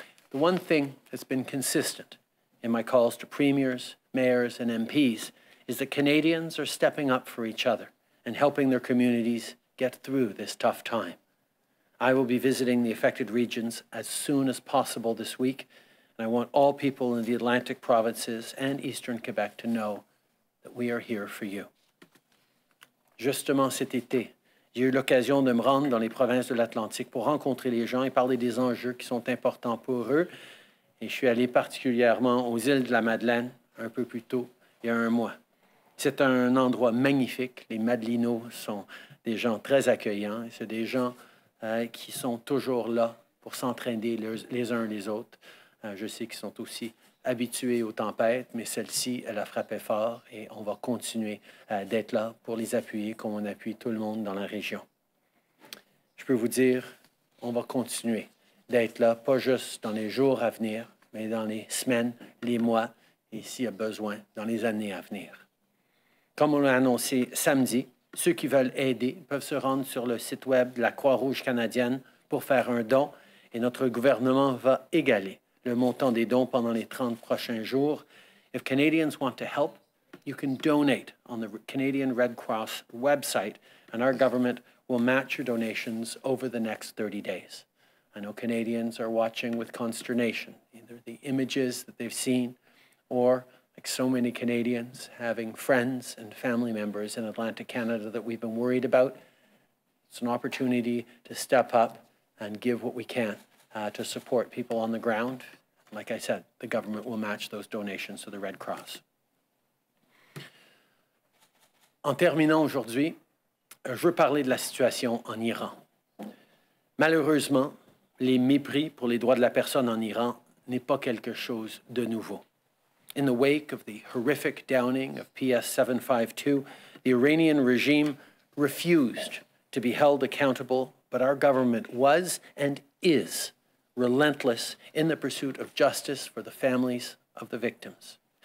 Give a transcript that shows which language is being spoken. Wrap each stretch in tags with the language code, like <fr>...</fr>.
<en>The one thing that's been consistent in my calls to premiers, mayors, and MPs is that Canadians are stepping up for each other and helping their communities get through this tough time. I will be visiting the affected regions as soon as possible this week. And I want all people in the Atlantic provinces and Eastern Quebec to know that we are here for you.</en> <fr>Justement cet été, j'ai eu l'occasion de me rendre dans les provinces de l'Atlantique pour rencontrer les gens et parler des enjeux qui sont importants pour eux. Et je suis allé particulièrement aux îles de la Madeleine un peu plus tôt, il y a un mois. C'est un endroit magnifique. Les Madelinos sont des gens très accueillants. C'est des gens qui sont toujours là pour s'entraider les uns les autres. Je sais qu'ils sont aussi habitués aux tempêtes, mais celle-ci, elle a frappé fort et on va continuer d'être là pour les appuyer comme on appuie tout le monde dans la région. Je peux vous dire, on va continuer d'être là, pas juste dans les jours à venir, mais dans les semaines, les mois et s'il y a besoin, dans les années à venir. Comme on l'a annoncé samedi, ceux qui veulent aider peuvent se rendre sur le site web de la Croix-Rouge canadienne pour faire un don et notre gouvernement va égaler le montant des dons pendant les 30 prochains jours.</fr> <en>If Canadians want to help, you can donate on the Canadian Red Cross website and our government will match your donations over the next 30 days. I know Canadians are watching with consternation, either the images that they've seen or, like so many Canadians, having friends and family members in Atlantic Canada that we've been worried about. It's an opportunity to step up and give what we can to support people on the ground. Like I said, the government will match those donations to the Red Cross.</en> <fr>En terminant aujourd'hui, je veux parler de la situation en Iran. Malheureusement, les mépris pour les droits de la personne en Iran n'est pas quelque chose de nouveau.</fr> <en>In the wake of the horrific downing of PS 752, the Iranian regime refused to be held accountable, but our government was and is relentless in the pursuit of justice for the families of the victims.</en>